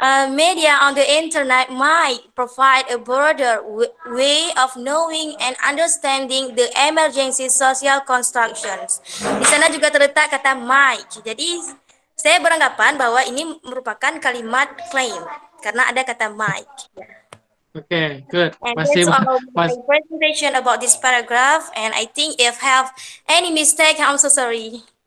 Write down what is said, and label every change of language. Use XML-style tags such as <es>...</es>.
<en>Media on the internet might provide a broader way of knowing and understanding the emergency social constructions.</en> <id>Di sana juga terletak kata might. Jadi saya beranggapan bahwa ini merupakan kalimat claim karena ada kata might.</id> <en>Okay, good. My presentation about this paragraph, and I think if have any mistake, I'm so sorry.</en>